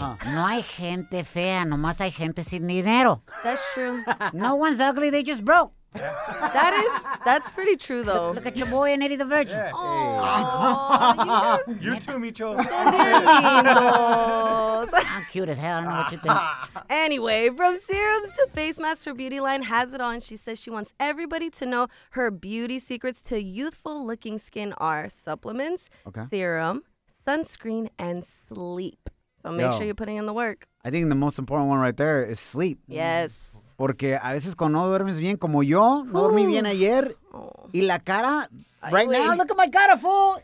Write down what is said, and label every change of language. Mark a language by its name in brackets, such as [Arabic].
[Spanish] No hay gente fea, nomás hay gente sin dinero. [English] That's true. No one's ugly, they just broke. That's pretty true, though. Look at your boy and Eddie the Virgin. Yeah. Aww, you too, Micho. I'm cute as hell. I don't know what you think. Anyway, from serums to face masks, her beauty line has it on. She says she wants everybody to know her beauty secrets to youthful-looking skin are supplements, serum, sunscreen, and sleep. So make sure you're putting in the work. I think the most important one right there is sleep. Yes. [Spanish] Porque a veces cuando no duermes bien, como yo, no dormí bien ayer, y la cara, [English] now, look at my [Spanish] cara, [English] fool.